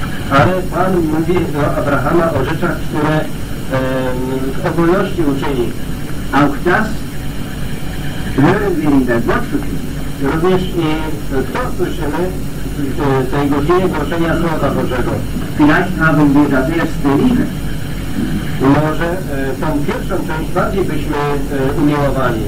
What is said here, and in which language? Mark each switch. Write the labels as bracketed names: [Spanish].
[Polish] Ale Pan mówi do Abrahama o rzeczach, które w ogólności uczyni. [German] Auch das hören wir in der Gottesdienst. [Polish] Również i to słyszymy w tej godzinie głoszenia Słowa Bożego. [German] Vielleicht haben wir das erste lieber. [Polish] Może tą pierwszą część bardziej byśmy umiłowali.